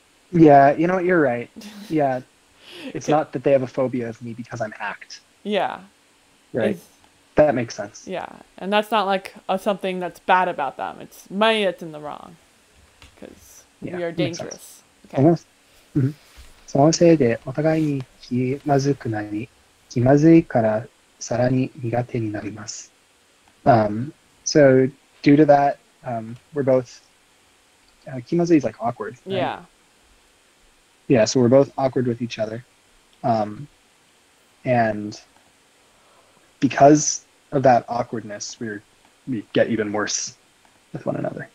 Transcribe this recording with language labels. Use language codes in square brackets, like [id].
[en] Yeah, you know what, you're right. Yeah. It's not that they have a phobia of me because I'm hacked. Yeah. Right. Is That makes sense. yeah, and that's not like a something that's bad about them. It's money that's in the wrong, because we Yeah, are makes sense. dangerous. そ Okay. [ja] の、うん、そのせいでお互いに気まずくなり、気まずいからさらに苦手になります。 [en] So due to that, we're both 気まずい is like awkward, right? Yeah. Yeah, so we're both awkward with each other. And because of that awkwardness, we get even worse with one another.